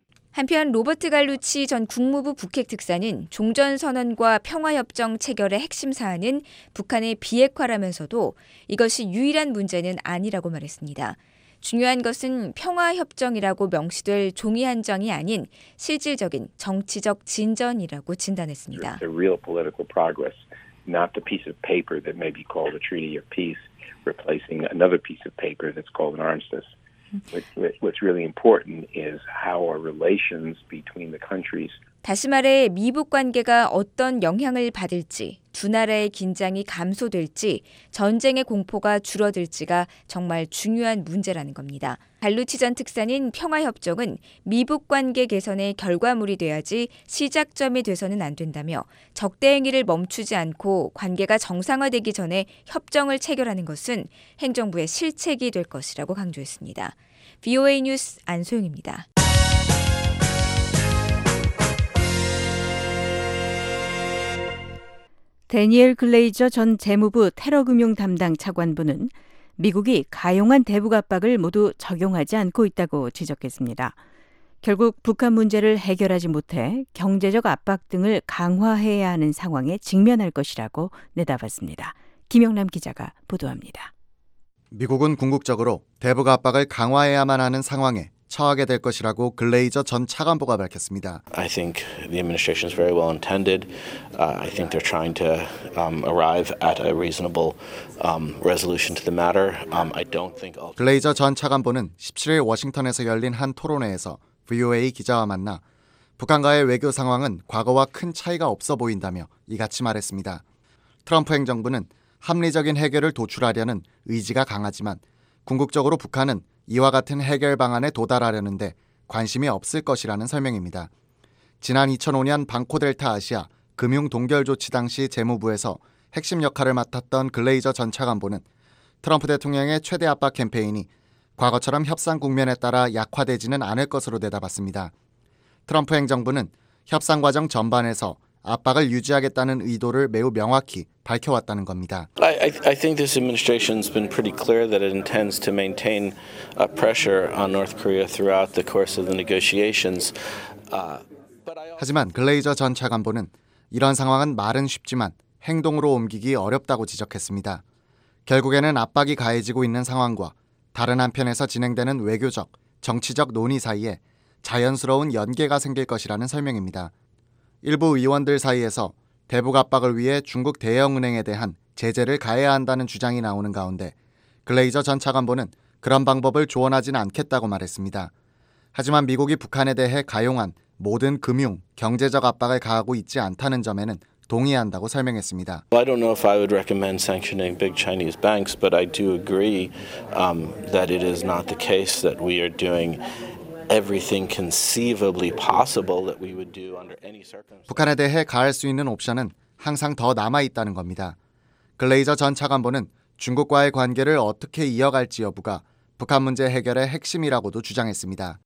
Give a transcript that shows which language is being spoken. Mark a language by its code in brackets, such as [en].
[ko] 한편 로버트 갈루치 전 국무부 북핵 특사는 종전선언과 평화협정 체결의 핵심 사안은 북한의 비핵화라면서도 이것이 유일한 문제는 아니라고 말했습니다. 중요한 것은 평화협정이라고 명시될 종이 한 장이 아닌 실질적인 정치적 진전이라고 진단했습니다. [en] The real political progress, not the piece of paper that may be called a treaty of peace, replacing another piece of paper that's called an armistice. What's really important is how our relations between the countries. [ko] 다시 말해 미북 관계가 어떤 영향을 받을지, 두 나라의 긴장이 감소될지, 전쟁의 공포가 줄어들지가 정말 중요한 문제라는 겁니다. 갈루치 전 특사는 평화협정은 미북 관계 개선의 결과물이 돼야지 시작점이 돼서는 안 된다며 적대 행위를 멈추지 않고 관계가 정상화되기 전에 협정을 체결하는 것은 행정부의 실책이 될 것이라고 강조했습니다. VOA 뉴스 안소영입니다. 대니엘 글레이저 전 재무부 테러금융 담당 차관부는 미국이 가용한 대북 압박을 모두 적용하지 않고 있다고 지적했습니다. 결국 북한 문제를 해결하지 못해 경제적 압박 등을 강화해야 하는 상황에 직면할 것이라고 내다봤습니다. 김영남 기자가 보도합니다. 미국은 궁극적으로 대북 압박을 강화해야만 하는 상황에 처하게 될 것이라고 글레이저 전 차관보가 밝혔습니다. [en] I think the administration is very well intended. I think they're trying to arrive at a reasonable resolution to the matter. I don't think. [ko] 글레이저 전 차관보는 17일 워싱턴에서 열린 한 토론회에서 VOA 기자와 만나 북한과의 외교 상황은 과거와 큰 차이가 없어 보인다며 이같이 말했습니다. 트럼프 행정부는 합리적인 해결을 도출하려는 의지가 강하지만 궁극적으로 북한은 이와 같은 해결 방안에 도달하려는데 관심이 없을 것이라는 설명입니다. 지난 2005년 방코델타 아시아 금융 동결 조치 당시 재무부에서 핵심 역할을 맡았던 글레이저 전 차관보는 트럼프 대통령의 최대 압박 캠페인이 과거처럼 협상 국면에 따라 약화되지는 않을 것으로 내다봤습니다. 트럼프 행정부는 협상 과정 전반에서 압박을 유지하겠다는 의도를 매우 명확히 밝혀왔다는 겁니다. [en] I think this administration's been pretty clear that it intends to maintain a pressure on North Korea throughout the course of the negotiations. [ko] 하지만 글레이저 전 차관보는 이런 상황은 말은 쉽지만 행동으로 옮기기 어렵다고 지적했습니다. 결국에는 압박이 가해지고 있는 상황과 다른 한편에서 진행되는 외교적, 정치적 논의 사이에 자연스러운 연계가 생길 것이라는 설명입니다. 일부 의원들 사이에서 대북 압박을 위해 중국 대형은행에 대한 제재를 가해야 한다는 주장이 나오는 가운데 글레이저 전 차관보는 그런 방법을 조언하진 않겠다고 말했습니다. 하지만 미국이 북한에 대해 가용한 모든 금융, 경제적 압박을 가하고 있지 않다는 점에는 동의한다고 설명했습니다. [en] I don't know if I would recommend sanctioning big Chinese banks, but I do agree that it is not the case that we are doing everything conceivably possible that we would do under any circumstances. [ko] 북한에 대해 가할 수 있는 옵션은 항상 더 남아 있다는 겁니다. 글레이저 전 차관보는 중국과의 관계를 어떻게 이어갈지 여부가 북한 문제 해결의 핵심이라고도 주장했습니다.